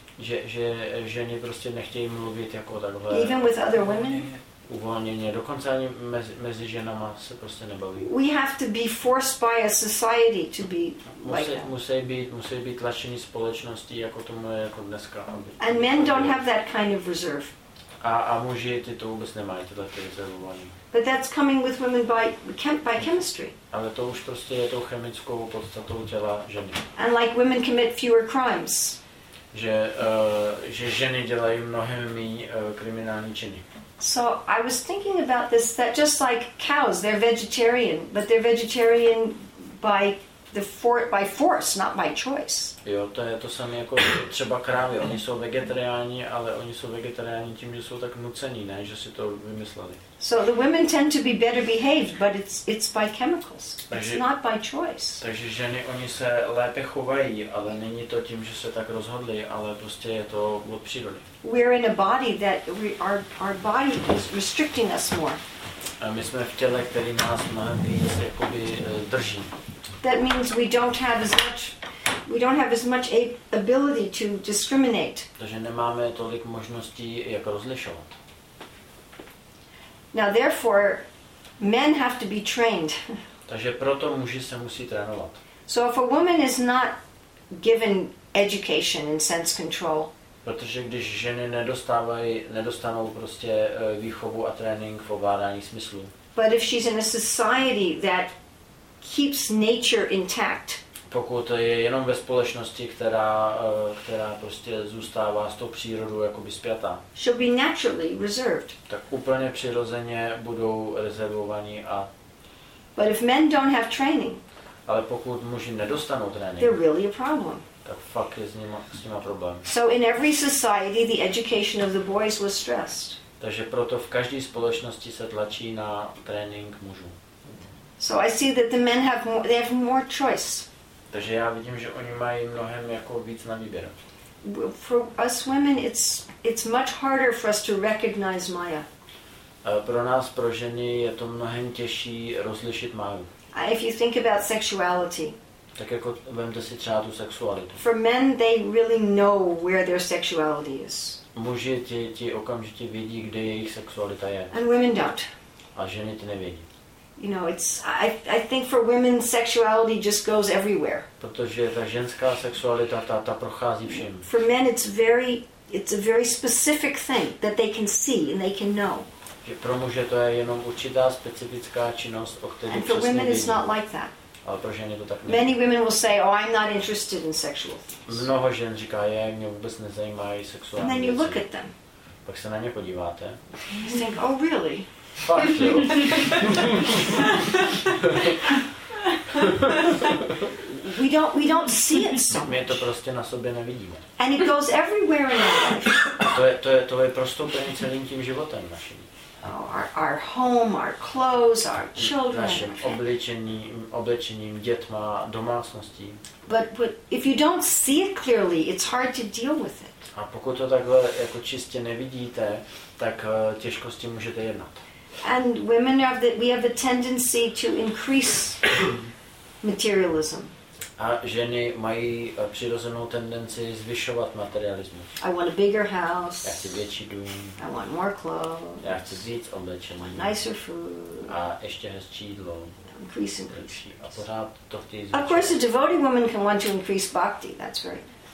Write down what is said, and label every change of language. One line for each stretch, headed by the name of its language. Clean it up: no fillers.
Czech: Že ženy prostě nechtějí mluvit jako takhle.
English: Even with other women.
Czech: Uvolněně, dokonce ani mezi ženama se prostě nebaví.
English: We have to be forced by a society to be like that.
Czech: Musí být tlačení společnosti, jako tomu je jako dneska.
English: And men don't have that kind of reserve.
Czech: A muži ty to vůbec nemají, tyhle ty rezervování.
English: But that's coming with women by chemistry.
Czech: Ale to už prostě je tou chemickou podstatou těla ženy.
English: And like women commit fewer crimes.
Czech: Že ženy dělají mnohem méně kriminální činy.
English: So I was thinking about this, that just like cows, they're vegetarian, but they're vegetarian by force, not by choice.
Czech: Jo, to je to samé jako třeba krávy. Oni jsou vegetariáni, ale oni jsou vegetariáni tím, že jsou tak nucení, ne, že si to vymysleli.
English: So the women tend to be better behaved, but it's by chemicals.
Czech: Takže,
English: it's not by choice.
Czech: Takže ženy, oni se lépe chovají, ale není to tím, že se tak rozhodli, ale prostě je to od přírody.
English: We're in a body that our body is restricting us more.
Czech: A my jsme v těle, který nás mnohem víc jakoby drží.
English: That means we don't have as much ability to discriminate.
Czech: Takže nemáme tolik možností, jak rozlišovat.
English: Now therefore men have to be trained.
Czech: Takže proto muži se musí trénovat.
English: So if a woman is not given education and sense control.
Czech: Protože když ženy nedostanou prostě výchovu a trénink v ovládání smyslu.
English: But if she's in a society that keeps nature intact.
Czech: Pokud je jenom ve společnosti, která prostě zůstává s tou přírodou jakoby spjatá.
English: She'll be naturally reserved.
Czech: Tak úplně přirozeně budou rezervovaní a.
English: But if men don't have training.
Czech: Ale pokud muži nedostanou trénink.
English: They're really a problem.
Czech: Tak fakt je s nima problém.
English: So in every society, the education of the boys was stressed.
Czech: Takže proto v každé společnosti se tlačí na trénink mužů.
English: So I see that the men have more, they have more choice.
Czech: Takže já vidím, že oni mají mnohem jako víc na výběr.
English: For us women, it's much harder for us to recognize Maya.
Czech: Pro nás, pro ženy, je to mnohem těžší rozlišit máju.
English: If you think about sexuality.
Czech: Tak jako vemte si třeba tu sexualitu.
English: For men, they really know where their sexuality is.
Czech: Muži ti okamžitě vědí, kde jejich sexualita je.
English: And women don't.
Czech: A ženy ty nevědí.
English: You know, it's I think for women sexuality just goes everywhere.
Czech: Protože ta ženská sexualita ta prochází všem.
English: For men it's a very specific thing that they can see and they can know.
Czech: Že pro muže to je jenom určitá specifická činnost, o které přesně vědí.
English: And for women it's not like that.
Czech: Ale pro ženy to tak není.
English: Many women will say, "Oh, I'm not interested in sexual things."
Czech: Mnoho žen říká, že mě vůbec nezajímají sexuální.
English: And then you look at them.
Czech: Pak se na ně podíváte.
English: You think, "Oh, really?" We don't see it so much.
Czech: My to prostě na sobě nevidíme.
English: And it goes everywhere in our life.
Czech: To je prostoupený celým tím životem naším.
English: Our home, our clothes, our children.
Czech: Našim oblečením, dětma, domácností.
English: But if you don't see it clearly, it's hard to deal with it.
Czech: A pokud to takhle jako čistě nevidíte, tak těžko s tím můžete jednat.
English: And women we have a tendency to increase materialism.
Czech: A ženy mají přirozenou tendenci zvyšovat materialismus.
English: I want a bigger house.
Czech: Já chci větší dům.
English: I want more clothes.
Czech: Já chci víc oblečení.
English: Nicer food.
Czech: A ještě hezčí jídlo.
English: Increase and increase.
Czech: A pořád to chtějí zvyšovat.
English: Of course, a devoted woman can want to increase bhakti. That's very nice.